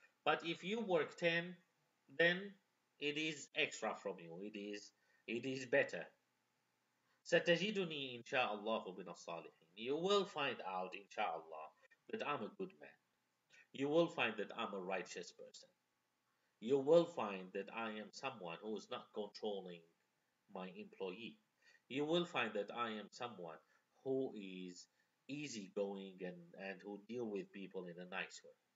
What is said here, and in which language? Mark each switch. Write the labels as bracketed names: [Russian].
[English] But if you work 10, then it is extra from you. It is It is better. [Arabic] ستجدني إن شاء الله من الصالحين. [English] You will find out, inshallah, that I'm a good man. You will find that I'm a righteous person. You will find that I am someone who is not controlling my employee. You will find that I am someone who is easygoing and who deal with people in a nice way.